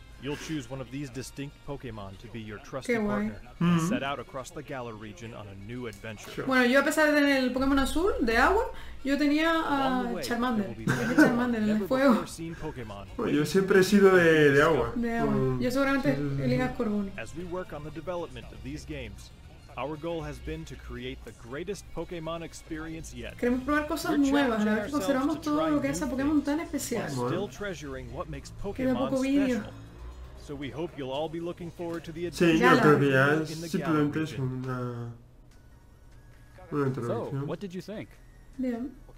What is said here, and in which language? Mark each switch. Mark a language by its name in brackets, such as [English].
[English] You'll choose one of these distinct Pokémon to be your trusted partner and set out across the Galar region on a new adventure. Sure. [Spanish] Bueno, yo a pesar de tener el Pokémon azul de agua, yo tenía Charmander. Charmander en el fuego. Bueno, yo siempre he sido de agua. De agua. Yo seguramente elija Corbunny. [English] As we work on the development of these games, our goal has been to create the greatest Pokémon experience yet. [Spanish] Queremos probar cosas nuevas, a ver si conservamos todo lo que es a Pokémon tan especial. [English] Still treasuring what makes Pokémon special. So we hope you'll all be looking forward to the adventure. [Spanish] Sí, yo creo que es simplemente una [English] so, what did you think? [Spanish] Bien.